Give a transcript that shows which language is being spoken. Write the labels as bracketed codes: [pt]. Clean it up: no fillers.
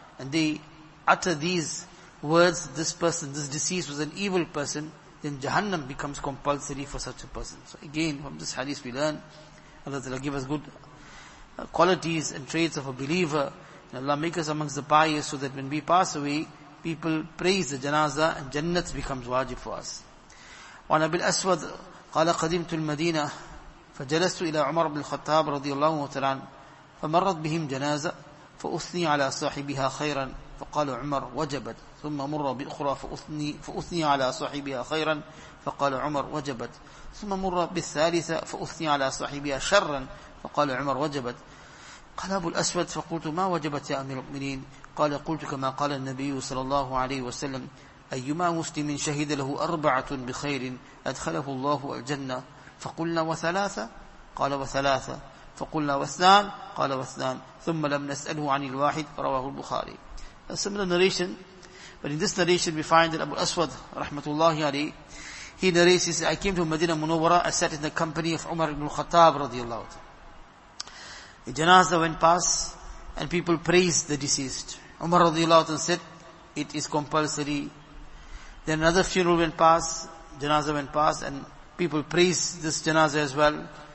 [en] And they utter these words, this person, this deceased was an evil person, then Jahannam becomes compulsory for such a person. So again, from this hadith we learn, Allah Ta'ala give us good qualities and traits of a believer. And Allah make us amongst the pious so that when we pass away, people praise the janazah and jannat becomes wajib for us. [ar] وعن أبي الأسود قال قدمت المدينة فجلست إلى عمر بن الخطاب رضي الله تعالى فمرت بهم جنازة فأثني على صاحبها خيرا فقال عمر وجبت ثم مر بأخرى فأثني على صاحبها خيرا فقال عمر وجبت ثم مر بالثالثة فأثني على صاحبها شرا فقال عمر وجبت قال أبو الأسود فقلت ما وجبت يا أمير المؤمنين قال قلت كما قال النبي صلى الله عليه وسلم أيما مسلم شهد له أربعة بخير أدخله الله الجنة فقلنا وثلاثة قال وثلاثة فقلنا واثنان قال واثنان ثم لم نسأله عن الواحد رواه البخاري. [en] A similar narration, but in this narration we find that Abu Aswad rahmatullahi alayhi, he narrates, he says, I came to Medina Munawwara, I sat in the company of Umar ibn Khattab radiallahu anhu. A janazah went past and people praised the deceased. Umar radiallahu anhu said, it is compulsory. Then another funeral went past, janazah went past, and people praised this janazah as well.